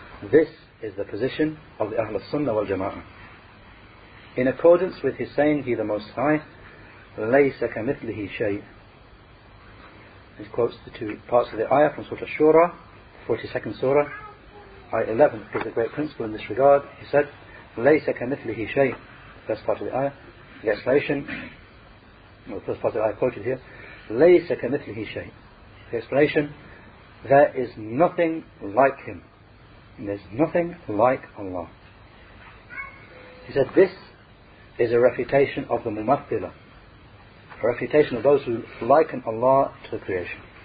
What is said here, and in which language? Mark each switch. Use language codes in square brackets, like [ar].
[en] This is the position of the Ahl al-Sunnah wal-Jama'ah. In accordance with his saying, He the Most High, [ar] لَيْسَ كَمِثْلِهِ شَيْءٍ. [en] He quotes the two parts of the ayah from Surah Shura, 42nd Surah, Ayah 11, is a great principle in this regard. He said, [ar] لَيْسَ كَمِثْلِهِ شَيْءٍ. [en] First part of the ayah, the explanation, the first part of the ayah quoted here, [ar] لَيْسَ كَمِثْلِهِ شَيْءٍ. [en] The explanation, there is nothing like him. There's nothing like Allah. He said, this is a refutation of the mumathila, a refutation of those who liken Allah to the creation.